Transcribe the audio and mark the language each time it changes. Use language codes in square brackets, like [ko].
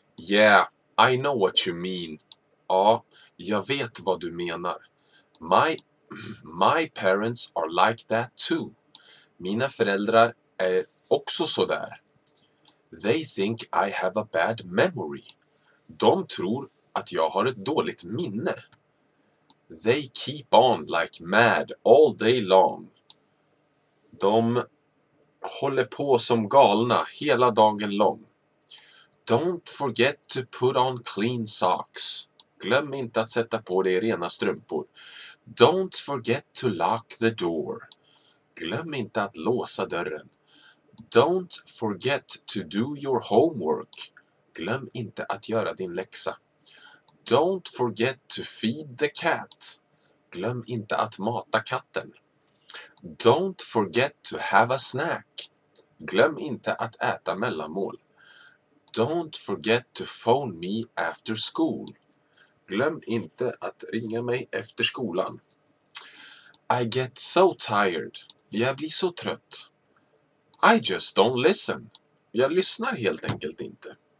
[en] Yeah, I know what you mean. [sv] Ja, jag vet vad du menar. [en] My parents are like that too. [sv] Mina föräldrar är också så där. [en] They think I have a bad memory. [sv] De tror att jag har ett dåligt minne. [en] They keep on like mad all day long. [sv] De håller på som galna hela dagen lång. [en] Don't forget to put on clean socks. [sv] Glöm inte att sätta på dig rena strumpor. [en] Don't forget to lock the door. [sv] Glöm inte att låsa dörren. [en] Don't forget to do your homework. [sv] Glöm inte att göra din läxa. [en] Don't forget to feed the cat. [sv] Glöm inte att mata katten. [en] Don't forget to have a snack. [sv] Glöm inte att äta mellanmål. [en] Don't forget to phone me after school. [sv] Glöm inte att ringa mig efter skolan. [en] I get so tired. [sv] Jag blir så trött. [en] I just don't listen. [sv] Jag lyssnar helt enkelt inte.